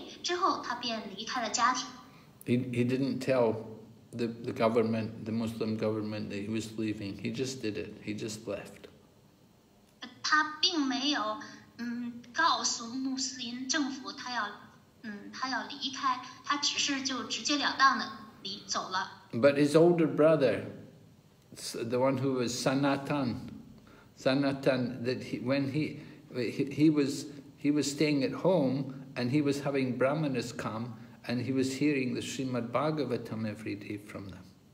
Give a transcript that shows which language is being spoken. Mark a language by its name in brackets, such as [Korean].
[Chinese] 然后把这些钱财做出了分配之后，他便离开了家庭。 [English] He didn't tell the government, the Muslim government, that he was leaving. He just did it. He just left. [Chinese] 他并没有告诉穆斯林政府他要离开，他只是就直截了当的走了。 [English] But his older brother, the one who was Sanatan, that he was staying at home and he was having brahmanas come, and he was hearing the Srimad Bhagavatam every day from them.